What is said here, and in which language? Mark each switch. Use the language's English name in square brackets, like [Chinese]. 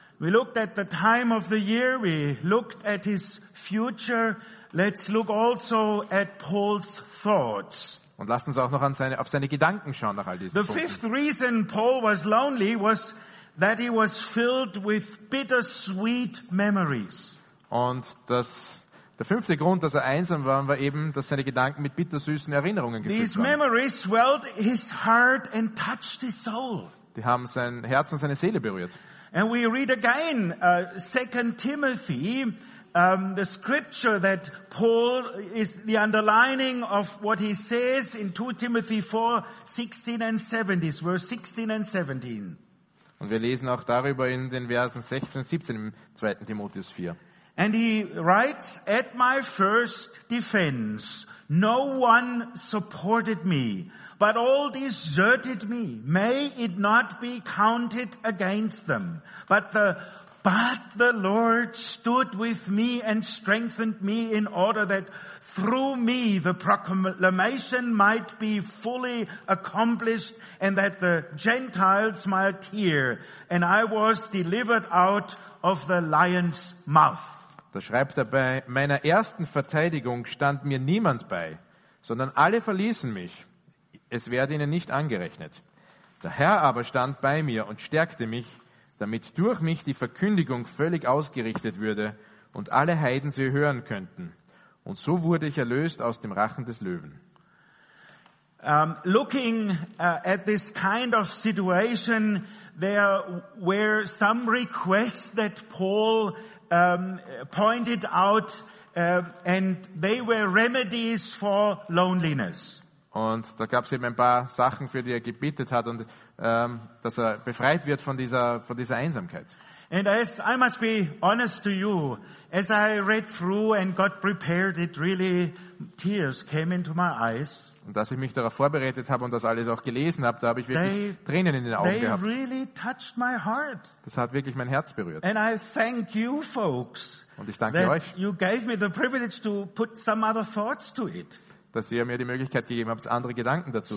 [English] We looked at the time of the year, we looked at his future, let's look also at Paul's thoughts. [German] Und lasst uns auch noch auf seine Gedanken schauen nach all diesen [English] the [German] Punkten. [English] The fifth reason Paul was lonely was that he was filled with bittersweet memories. [German] Und der fünfte Grund, dass er einsam war, war eben, dass seine Gedanken mit bittersüßen Erinnerungen gefüllt waren. [English] These memories swelled his heart and touched his soul. [German] Die haben sein Herz und seine Seele berührt. [English] And we read again 2 Timothy, the scripture that Paul is the underlining of what he says in 2 Timothy 4, 16 and 17, verse 16 and 17. [German] Und wir lesen auch darüber in den Versen 16 und 17 im 2. Timotheus 4. [English] And he writes, at my first defense, no one supported me, but all deserted me. May it not be counted against them. But the Lord stood with me and strengthened me in order that through me the proclamation might be fully accomplished and that the Gentiles might hear, and I was delivered out of the lion's mouth. [German] Da schreibt er, bei meiner ersten Verteidigung stand mir niemand bei, sondern alle verließen mich. Es werde ihnen nicht angerechnet. Der Herr aber stand bei mir und stärkte mich, damit durch mich die Verkündigung völlig ausgerichtet würde und alle Heiden sie hören könnten. Und so wurde ich erlöst aus dem Rachen des Löwen. [English] Looking at this kind of situation, there were some requests that Paul pointed out, and they were remedies for loneliness. [German] Und da gab es eben ein paar Sachen, für die er gebetet hat, und dass er befreit wird von dieser Einsamkeit. [English] And as I must be honest to you, as I read through and got prepared, it really tears came into my eyes. [German] Und dass ich mich darauf vorbereitet habe und das alles auch gelesen habe, da habe ich wirklich Tränen in den Augen gehabt. [English] They really touched my heart. [German] Das hat wirklich mein Herz berührt. [English] And I thank you, folks. [German] Und ich danke euch. [English] You gave me the privilege to put some other thoughts to it. [German] Dass ihr mir die Möglichkeit gegeben habt, andere Gedanken dazu